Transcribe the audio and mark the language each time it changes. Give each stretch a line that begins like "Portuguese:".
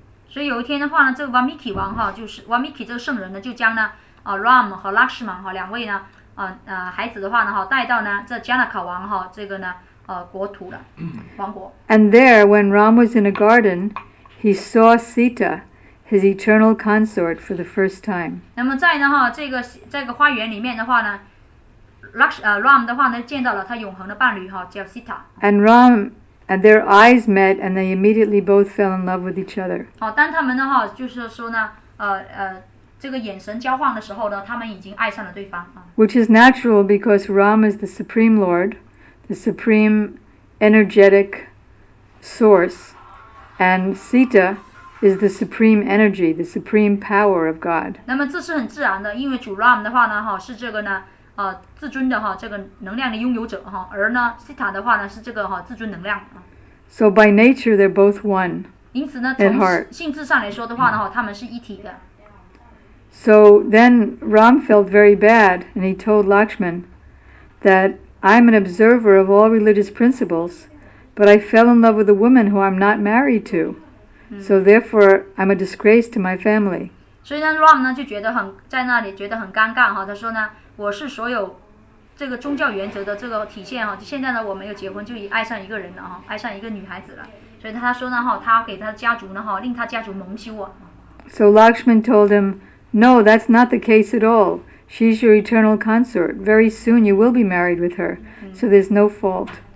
Chinese: 所以有一天的话呢，这个 Valmiki 王哈，就是 Valmiki 这个圣人呢，就将呢Ram 和 Lakshman 哈两位呢孩子的话呢哈，带到呢这 Janaka 王哈这个呢。国土的王国。
English: And there, when Ram was in a garden, he saw Sita, his eternal consort, for the first time.
Chinese: 那么在呢哈，这个花园里面的话呢 ，Ram 的话呢，见到了他永恒的伴侣哈，叫 Sita。
English: And Ram and their eyes met, and they immediately both fell in love with each other.
Chinese: 好，当他们呢哈，就是说呢，这个眼神交换的时候呢，他们已经爱上了对方。
English: Which is natural because Ram is the supreme lord. The supreme energetic source, and Sita is the supreme energy, the supreme power of God.
Chinese: 那么这是很自然的，因为主 Ram 的话呢，哈是这个呢，至尊的哈这个能量的拥有者哈，而呢 Sita 的话呢是这个哈至尊能量。
English: So by nature they're both one.
Chinese: 因此呢，从性质上来说的话呢，哈他们是一体的。
English: So then Ram felt very bad, and he told Lakshman that. I'm an observer of all religious principles, but I fell in love with a woman who I'm not married to. So therefore, I'm a disgrace to my family.
Chinese: 所以呢 ，Ram 呢就觉得很在那里觉得很尴尬哈。他说呢，我是所有这个宗教原则的这个体现哈。就现在呢，我没有结婚，就已爱上一个人了哈，爱上一个女孩子了。所以他说呢哈，他给他家族呢哈，令他家族蒙羞啊。
English: So Lakshman told him, "No, that's not the case at all." She's your eternal consort. Very soon you will be married with her, so there's no fault.